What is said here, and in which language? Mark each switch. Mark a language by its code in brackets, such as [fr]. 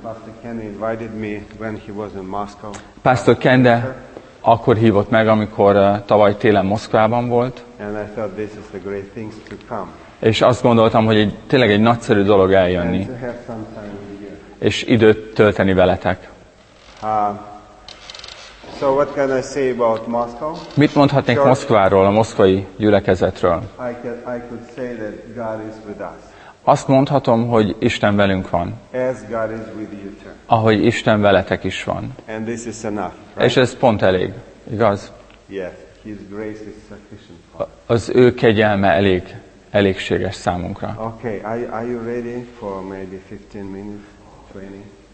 [en] Pastor Kende invited me when he was in Moscow. [hu] Pastor Kende akkor hívott meg, amikor tavaly télen Moszkvában volt. [en] And I thought this is a great thing to come. [hu] És azt gondoltam, hogy tényleg egy nagyszerű dolog eljönni. [en] And to have some time with you. [hu] És időt tölteni veletek. [en] So what can I say about Moscow? [hu] Mit mondhatnék Moszkváról, a moszkvai gyülekezetről? [en] I could say that God is with us. [hu] Azt mondhatom, hogy Isten velünk van. [en] As God is with you too. [hu] Ahogy Isten veletek is van. [en] And this is enough, right? [hu] És ez pont elég, igaz? [en] Yes, His grace is sufficient for us. [hu] Az ő kegyelme elég, elégséges számunkra. [en] Okay, are you ready for maybe 15 minutes training?